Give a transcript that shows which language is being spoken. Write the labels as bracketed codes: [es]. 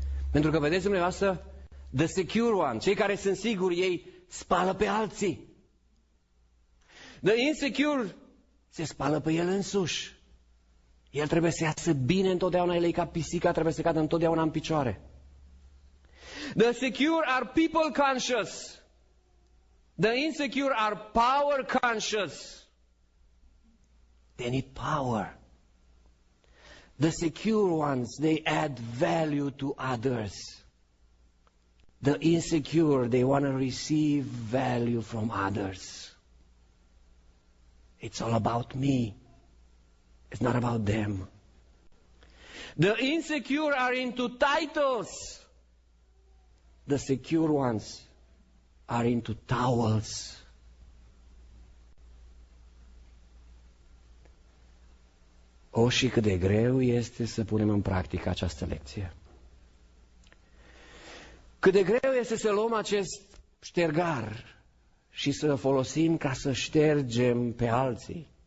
[ro] Pentru că, vedeți dumneavoastră, [en] the secure one, [ro] cei care sunt siguri, ei spală pe alții. [en] The insecure [ro] se spală pe el însuși. El trebuie să iasă bine întotdeauna, el e ca pisica, trebuie să cadă întotdeauna în picioare. [en] The secure are people conscious. The insecure are power conscious. They need power. The secure ones, they add value to others. The insecure, they want to receive value from others. It's all about me. It's not about them. The insecure are into titles. The secure ones are into towels. [ro] O, și cât de greu este să punem în practică această lecție. Cât de greu este să luăm acest ștergar și să-l folosim ca să ștergem pe alții.